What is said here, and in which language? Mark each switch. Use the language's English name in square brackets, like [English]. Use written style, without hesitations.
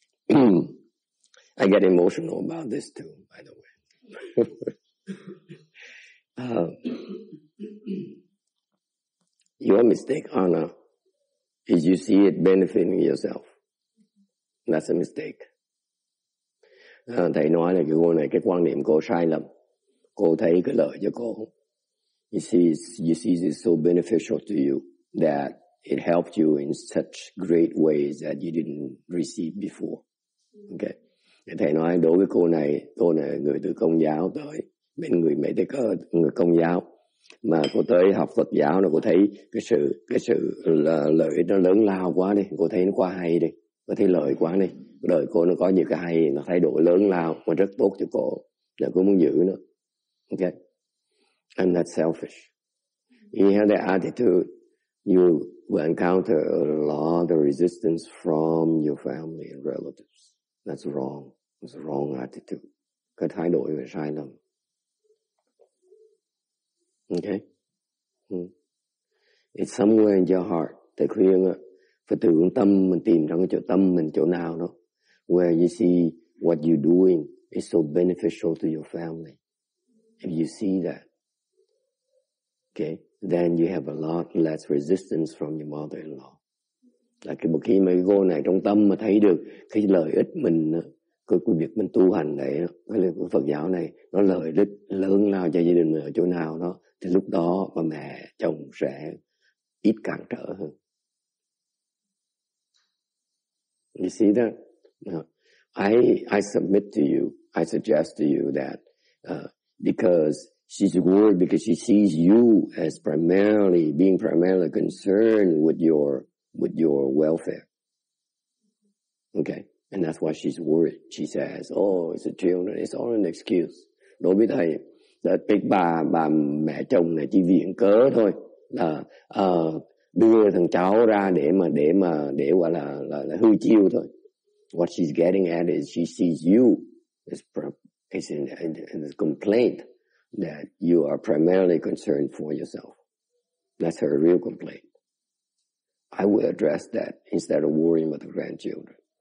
[English] I get emotional about this too, by the way. Your mistake, Anna, is you see it benefiting yourself. That's a mistake. [Vietnamese] Thầy nói là cái cô này, cái quan niệm cô sai lầm. Cô thấy cái lợi cho cô. [English] You see it's so beneficial to you that it helped you in such great ways that you didn't receive before. Okay. [Vietnamese] Thầy nói đối với cô này là người từ Công giáo tới, bên người Mỹ Tích, người Công giáo. Mà cô tới học Phật giáo là cô thấy cái sự là lợi nó lớn lao quá đi. Cô thấy nó quá hay đi. Cô thấy lợi quá đi. Đời cô nó có nhiều cái hay, nó thay đổi lớn lao mà rất tốt cho cô. Là cô muốn giữ nó. Okay. [English] And that's selfish. You have that attitude, you will encounter a lot of resistance from your family and relatives. That's wrong. It's a wrong attitude. [Vietnamese] Cái thái độ là sai lầm. [English] Okay? It's somewhere in your heart. [Vietnamese] Thầy khuyên phải từ tâm mình tìm trong cái chỗ tâm mình chỗ nào đó. [English] Where you see what you're doing is so beneficial to your family. If you see that, okay, then you have a lot less resistance from your mother-in-law. [Vietnamese] Là cái khi mà cái cô này trong tâm mà thấy được cái lợi ích mình, cái việc mình tu hành này, cái lời của Phật giáo này, nó lợi ích lớn lao cho gia đình mình ở chỗ nào đó, thì lúc đó bà mẹ chồng sẽ ít cản trở hơn. [English] You see that? I submit to you, I suggest to you that because she's worried because she sees you as primarily concerned with your welfare. Okay. And that's why she's worried. She says, oh, it's a children, it's all an excuse. [Vietnamese] Đối với thầy, bà mẹ chồng này chỉ viện cớ thôi là đưa thằng cháu ra để gọi là hư chiêu thôi. [English] What she's getting at is she sees you as a complaint that you are primarily concerned for yourself. That's her real complaint. I will address that instead of worrying about the grandchildren.